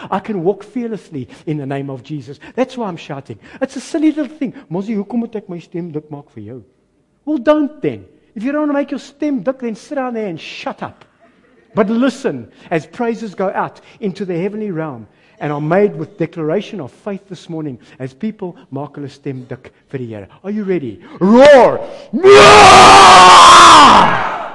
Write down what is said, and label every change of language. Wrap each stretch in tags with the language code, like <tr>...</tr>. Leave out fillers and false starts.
<en>I can walk fearlessly in the name of Jesus. That's why I'm shouting. It's a silly little thing.</en> <af>Mosie, hoekom moet ek my stem dik maak vir jou?</af> <en>Well, don't then. If you don't want to make your</en> <af>stem dik,</af> <en>then sit down there and shut up. But listen, as praises go out into the heavenly realm and are made with declaration of faith this morning, as people</en> <af>maak hulle stem dik vir die Here.</af> <en>Are you ready? Roar! Roar!</en>